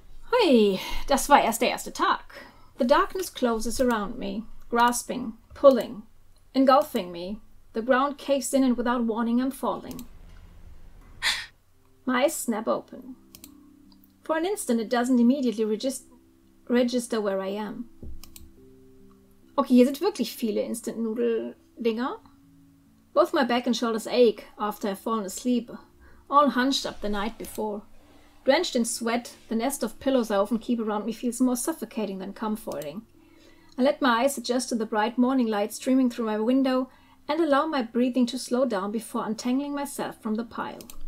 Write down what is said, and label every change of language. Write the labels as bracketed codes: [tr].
[de] Hui, das war erst der erste Tag. [en] The darkness closes around me, grasping, pulling, engulfing me. The ground caves in and without warning I'm falling. My eyes snap open. For an instant it doesn't immediately register where I am. [de] Okay, hier sind wirklich viele Instant Noodle Dinger. [en] Both my back and shoulders ache after I've fallen asleep, all hunched up the night before. Drenched in sweat, the nest of pillows I often keep around me feels more suffocating than comforting. I let my eyes adjust to the bright morning light streaming through my window and allow my breathing to slow down before untangling myself from the pile.